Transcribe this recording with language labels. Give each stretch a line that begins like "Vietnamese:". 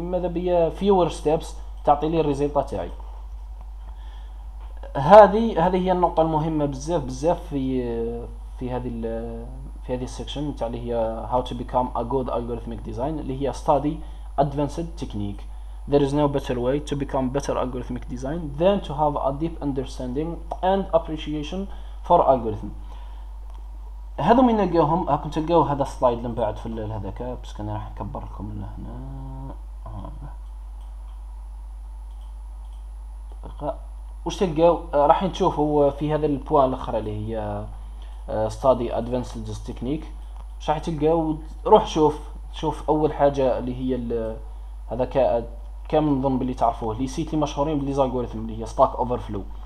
Arabic: ماذا بيا فيور ستيبس تعطي لي الريزلت تاعي. هذه هي النقطه المهمه بزاف بزاف في هذه السيكشن تاع اللي هي هاو تو بيكام ا جود الجوريثميك ديزاين، اللي هي ستادي ادفانسد تكنيك.
English: There is no better way to become better algorithmic design than to have a deep understanding and appreciation for algorithm.
Arabic: هذو من نلقاهم راكم تلقاو هذا السلايد من بعد في الليل هذاك، بس كان راح نكبر لكم لهنا دقيقه. واش تلقاو راح تشوفوا في هذا البوان الاخر اللي هي ستادي ادفانسد تكنيك، واش راح تلقاو؟ روح شوف اول حاجه اللي هي هذاك كم نظن بلي تعرفوه لي سيت لي مشهورين بلي زالغوريثم اللي هي ستاك اوفر فلو.